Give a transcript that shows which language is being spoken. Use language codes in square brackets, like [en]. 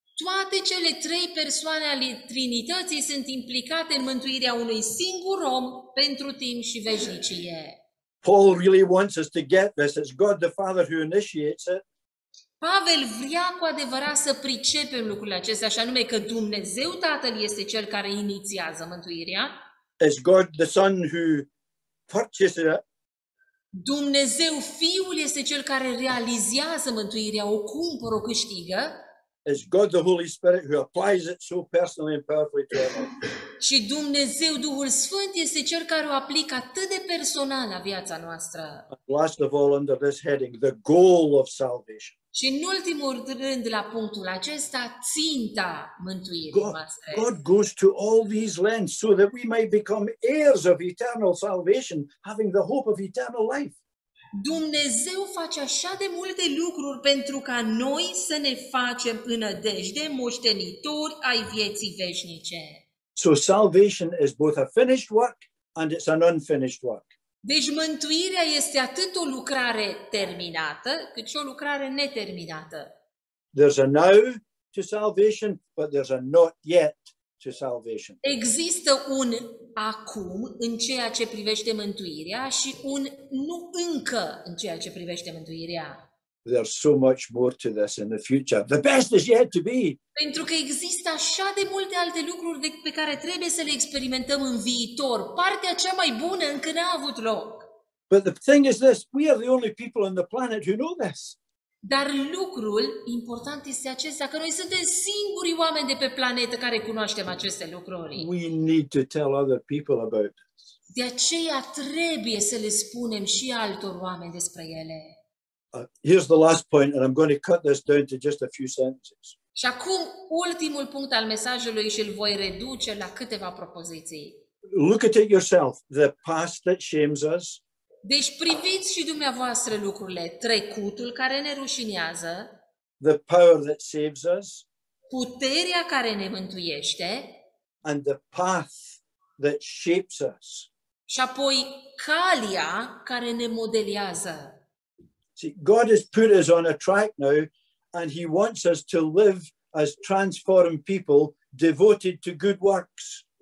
[ro] Toate cele trei persoane ale Trinității sunt implicate în mântuirea unui singur om pentru timp și veșnicie. [en] Paul really wants us to get this. It's God the Father who initiates it. [ro] Pavel vrea cu adevărat să pricepem lucrurile acestea, așa nume că Dumnezeu Tatăl este cel care inițiază mântuirea. [en] It's God the Son who purchases it. [ro] Dumnezeu Fiul este cel care realizează mântuirea, o cumpără, o câștigă. [en] It's God the Holy Spirit who applies it so personally and powerfully to our life. [ro] Și Dumnezeu Duhul Sfânt este cel care o aplică atât de personal la viața noastră. [en] Last of all, under this heading, the goal of salvation. [ro] Și în ultimul rând, la punctul acesta, ținta mântuirii noastre. [en] God goes to all these lengths so that we might become heirs of eternal salvation, having the hope of eternal life. [ro] Dumnezeu face așa de multe lucruri pentru ca noi să ne facem înădejde moștenitori ai vieții veșnice. [en] So salvation is both a finished work and it's an unfinished work. [ro] Deci mântuirea este atât o lucrare terminată, cât și o lucrare neterminată. [en] There's a now to salvation, but there's a not yet to salvation. [ro] Există un acum în ceea ce privește mântuirea și un nu încă în ceea ce privește mântuirea. [en] There's so much more to this in the future. The best is yet to be. [ro] Pentru că există așa de multe alte lucruri de, pe care trebuie să le experimentăm în viitor. Partea cea mai bună încă n-a avut loc. [en] But the thing is this, we are the only people on the planet who know this. [ro] Dar lucrul important este acesta, că noi suntem singurii oameni de pe planetă care cunoaștem aceste lucruri. [en] We need to tell other people about this. [ro] De aceea trebuie să le spunem și altor oameni despre ele. [en] Here's the last point, and I'm going to cut this down to just a few sentences. [ro] Și acum ultimul punct al mesajului și îl voi reduce la câteva propoziții. [en] Look at it yourself, the past that shames us. [ro] Deci priviți și dumneavoastră lucrurile, trecutul care ne rușinează. [en] The power that saves us. [ro] Puterea care ne mântuiește. [en] And the path that shapes us. [ro] Și apoi calea care ne modelează. [en] See, God has put us on a track now and he wants us to live as transformed people devoted to good works.